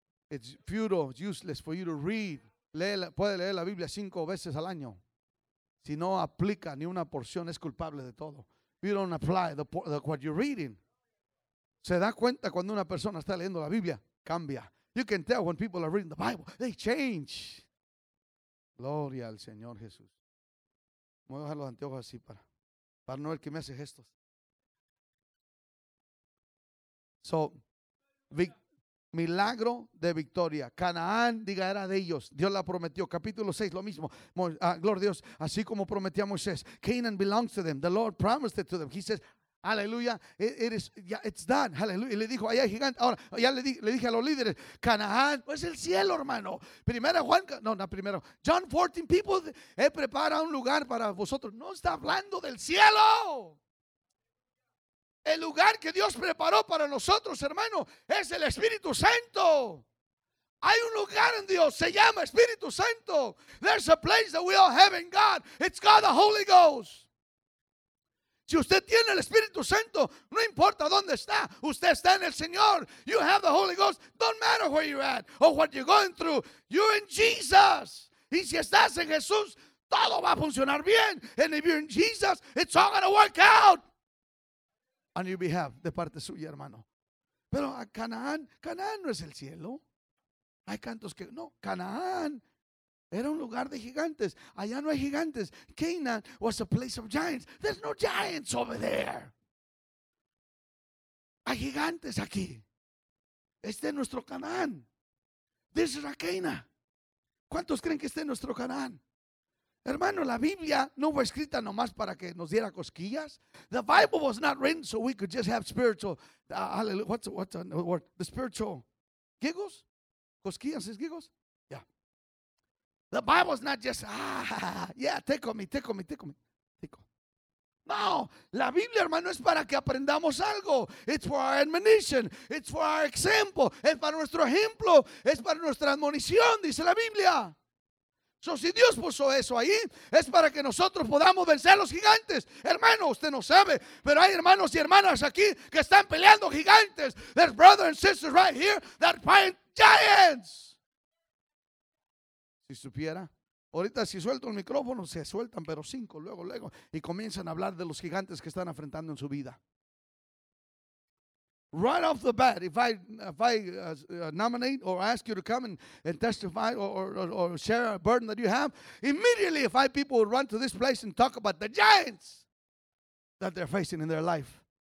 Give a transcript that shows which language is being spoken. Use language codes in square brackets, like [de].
[en] It's futile, useless for you to read. [es] Puede leer la Biblia 5 veces al año. Si no aplica ni una porción, es culpable de todo. [en] You don't apply the what you're reading. [es] Se da cuenta cuando una persona está leyendo la Biblia, cambia. [en] You can tell when people are reading the Bible, they change. [es] Gloria al Señor Jesús. Voy a dejar los anteojos así para no ver que me hace gestos. So, milagro de victoria. Canaán, diga, era de ellos. Dios la prometió. Capítulo 6, lo mismo. Gloria a Dios. Así como prometió a Moisés. [en] Canaan belongs to them. The Lord promised it to them. He says, aleluya, it's done, aleluya. [es] Y le dijo, allá hay gigante. Ahora, ya le dije a los líderes, Canaán, pues el cielo, hermano. Primera Juan, primero. John 14, people, he preparado un lugar para vosotros. No está hablando del cielo. El lugar que Dios preparó para nosotros, hermano, es el Espíritu Santo. Hay un lugar en Dios, se llama Espíritu Santo. [en] There's a place that we all have in God. It's called the Holy Ghost. Si usted tiene el Espíritu Santo, no importa dónde está, usted está en el Señor. You have the Holy Ghost. Don't matter where you're at or what you're going through. You're in Jesus. [es] Y si estás en Jesús, todo va a funcionar bien. [en] And if you're in Jesus, it's all going to work out on your behalf, [es] de parte suya, hermano. Pero a Canaán no es el cielo. Hay cantos que, no, Canaán era un lugar de gigantes. Allá no hay gigantes. [en] Canaan was a place of giants. There's no giants over there. [es] Hay gigantes aquí. Este es nuestro Canaán. [en] This is a Canaan. [es] ¿Cuántos creen que este es nuestro Canaán? Hermano, la Biblia no fue escrita nomás para que nos diera cosquillas. [en] The Bible was not written so we could just have spiritual. What's the word? The spiritual. ¿Giggles? [es] ¿Cosquillas es giggles? [en] The Bible is not just, take on me. [es] No, la Biblia, hermano, es para que aprendamos algo. [en] It's for our admonition. It's for our example. [es] Es para nuestro ejemplo. Es para nuestra admonición, dice la Biblia. So, si Dios puso eso ahí, es para que nosotros podamos vencer a los gigantes. Hermano, usted no sabe, pero hay hermanos y hermanas aquí que están peleando gigantes. [en] There's brothers and sisters right here that are fighting giants. [es] Si supiera, ahorita si suelto el micrófono se sueltan, pero 5 luego y comienzan a hablar de los gigantes que están enfrentando en su vida. [en] Right off the bat, if I nominate or ask you to come and testify or share a burden that you have, immediately 5 people would run to this place and talk about the giants that they're facing in their life.